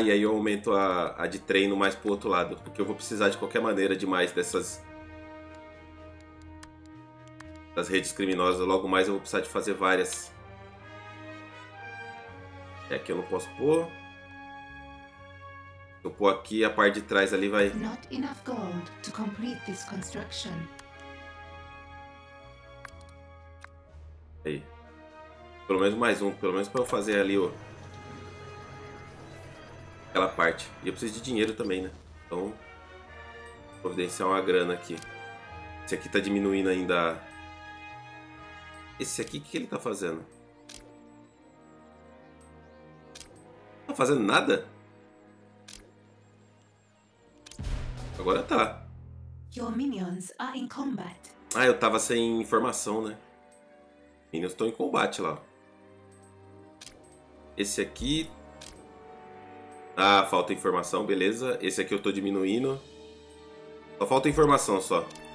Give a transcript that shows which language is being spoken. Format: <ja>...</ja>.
<pt>E aí eu aumento a de treino mais pro outro lado. Porque eu vou precisar de qualquer maneira de mais dessas... das redes criminosas. Logo mais eu vou precisar de fazer várias. É, aqui eu não posso pôr. Eu pôr aqui a parte de trás ali vai.</pt> <en>Not enough gold to complete this construction.</en> <pt>Aí. Pelo menos mais um, pelo menos para eu fazer ali, ó. Aquela parte. E eu preciso de dinheiro também, né? Então, providenciar uma grana aqui. Esse aqui tá diminuindo ainda. Esse aqui, o que ele tá fazendo? Não tá fazendo nada? Agora tá.</pt> <en>Your minions are in combat.</en> <pt>Ah, eu tava sem informação, né? Minions estão em combate lá. Esse aqui... ah, falta informação, beleza. Esse aqui eu tô diminuindo. Só falta informação, só.</pt>